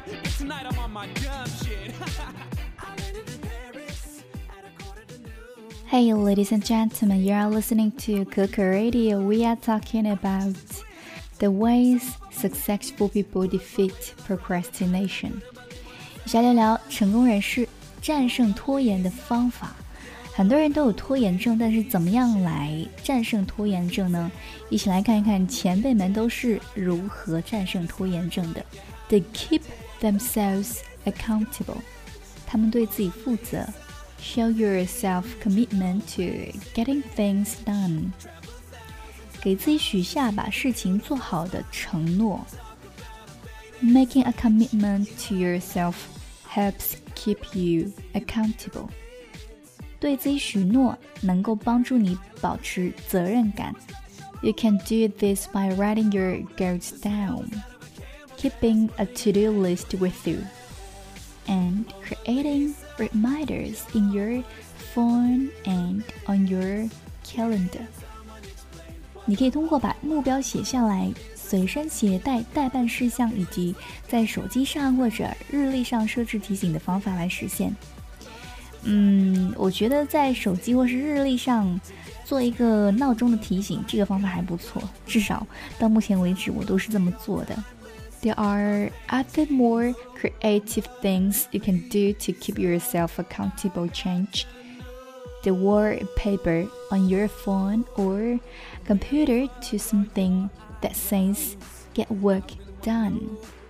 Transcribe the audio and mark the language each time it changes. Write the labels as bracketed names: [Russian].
[English] But tonight I'm on my dumb shit. Hey, ladies and gentlemen, you are listening to Cuckoo Radio. We are talking about the ways successful people defeat procrastination. [Chinese] 先聊聊成功人士战胜拖延的方法。很多人都有拖延症，但是怎么样来战胜拖延症呢？一起来看一看前辈们都是如何战胜拖延症的。 [English] They keep themselves accountable. [Chinese] 他们对自己负责。 [English] Show yourself commitment to getting things done. [Chinese] 给自己许下把事情做好的承诺。 [English] Making a commitment to yourself helps keep you accountable. [Chinese] 对自己许诺能够帮助你保持责任感。 [English] You can do this by writing your goals down, keeping a to-do list with you, and creating reminders in your phone and on your calendar. [Chinese] 你可以通过把目标写下来，随身携带代办事项，以及在手机上或者日历上设置提醒的方法来实现。我觉得在手机或是日历上做一个闹钟的提醒，这个方法还不错，至少到目前为止我都是这么做的。 [English] There are other more creative things you can do to keep yourself accountable. Change the wallpaper on your phone or computer to something that says get work done.